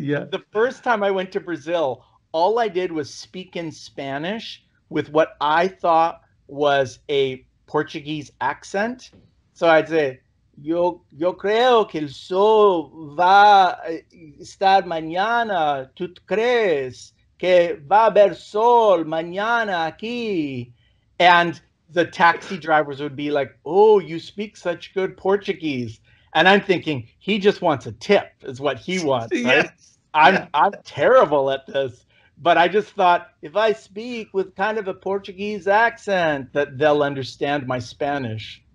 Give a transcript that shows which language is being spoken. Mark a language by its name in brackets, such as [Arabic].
[English] The first time I went to Brazil, all I did was speak in Spanish with what I thought was a Portuguese accent. So I'd say, [Spanish] Yo creo que el sol va estar mañana. ¿Tú crees que va a haber sol mañana aquí? [English] And the taxi drivers would be like, oh, you speak such good Portuguese. And I'm thinking, he just wants a tip is what he wants. Right? Yes. I'm terrible at this. But I just thought, if I speak with kind of a Portuguese accent, that they'll understand my Spanish.